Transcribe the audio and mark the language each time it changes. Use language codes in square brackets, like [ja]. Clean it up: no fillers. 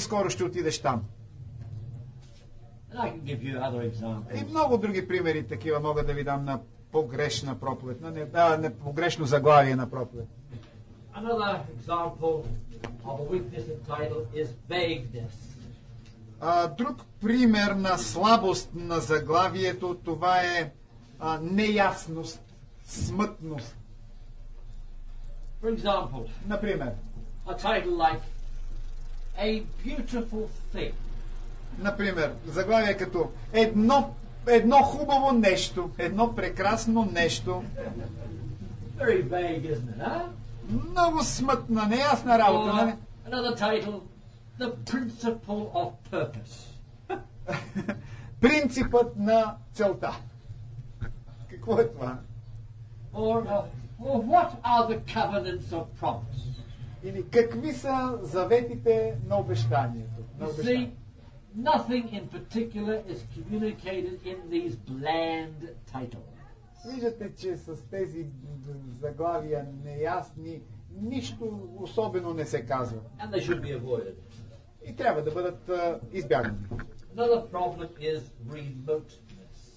[bg] Скоро ще отидеш там. [en] And I can give you other examples. [bg] И много други примери такива мога да ви дам на погрешна проповед, на не, да, не погрешно заглавие на проповед. [en] Another example of a weakness of title is vagueness. [bg] Друг пример на слабост на заглавието, това е неясност, смътност. [en] For example, [bg] например, [en] a title like A Beautiful Thing. [bg] Например, заглавие като едно хубаво нещо, едно прекрасно нещо. [en] Very vague, isn't it, huh? [bg] Много смътна, неясна работа, нали? [en] Another title, The Principle of Purpose. [bg] Принципът на целта. Какво е това? [en] Or what are the covenants of promise? [bg] Или какви са заветите на обещанието? [en] Nothing in particular is communicated in these bland titles. [bg] Виждате, че с тези заглавия неясни нищо особено не се казва. [en] And they should be avoided. [bg] И трябва да бъдат избягани. [en] Another problem is remoteness.